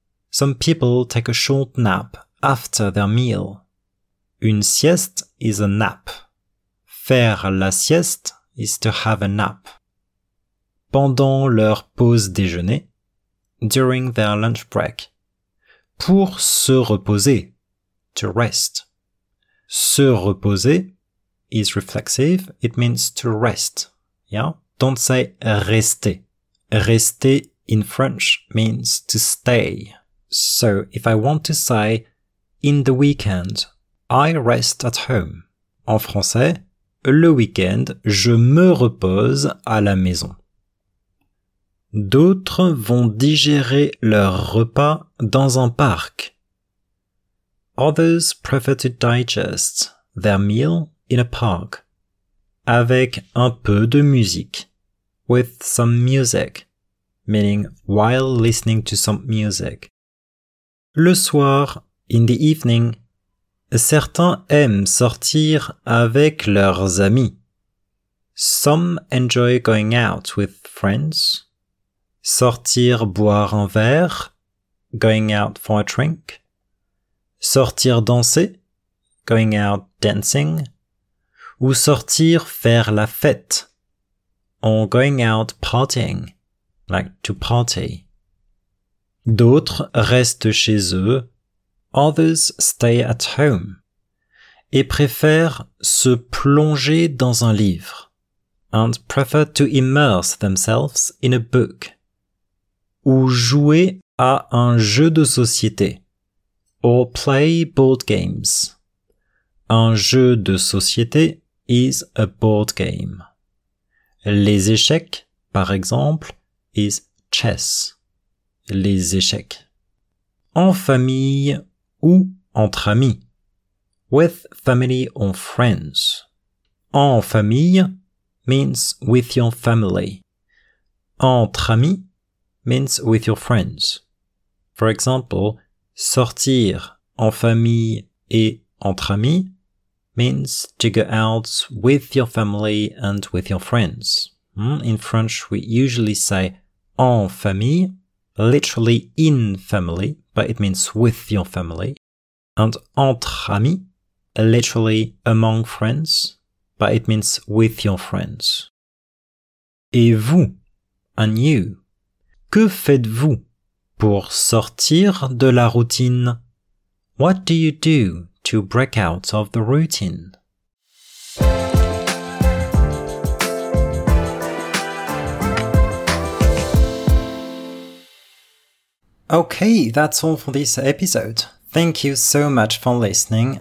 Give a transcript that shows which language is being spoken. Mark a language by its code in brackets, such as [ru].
[en] Some people take a short nap after their meal. [fr] Une sieste [en] is a nap. [fr] Faire la sieste [en] is to have a nap. [fr] Pendant leur pause déjeuner, [en] during their lunch break. [fr] Pour se reposer, [en] to rest. Se reposer is reflexive, it means to rest. Yeah? Don't say rester. Rester in French means to stay. So if I want to say, in the weekend, I rest at home. [fr] En français, le week-end, je me repose à la maison. D'autres vont digérer leur repas dans un parc. [en] Others prefer to digest their meal in a park. [fr] Avec un peu de musique. [en] With some music. Meaning while listening to some music. [fr] Le soir, [en] in the evening, [fr] certains aiment sortir avec leurs amis. [en] Some enjoy going out with friends. [fr] Sortir boire un verre, [en] going out for a drink. [fr] Sortir danser, [en] going out dancing. [fr] Ou sortir faire la fête, [en] or going out partying, like to party. [fr] D'autres restent chez eux, [en] others stay at home, [fr] et préfèrent se plonger dans un livre, [en] and prefer to immerse themselves in a book. [fr] Ou jouer à un jeu de société, [en] or play board games. [fr] Un jeu de société [en] is a board game. [fr] Les échecs, par exemple, [en] is chess. [fr] Les échecs. En famille ou entre amis. [en] With family or friends. En famille means with your family. Entre amis means with your friends. For example, [fr] sortir en famille et entre amis [en] means to go out with your family and with your friends. In French, we usually say en famille, literally in family, but it means with your family. And entre amis, literally among friends, but it means with your friends. [fr] Et vous, [en] and you. [fr] Que faites-vous pour sortir de la routine? [en] What do you do to break out of the routine? Okay, that's all for this episode. Thank you so much for listening.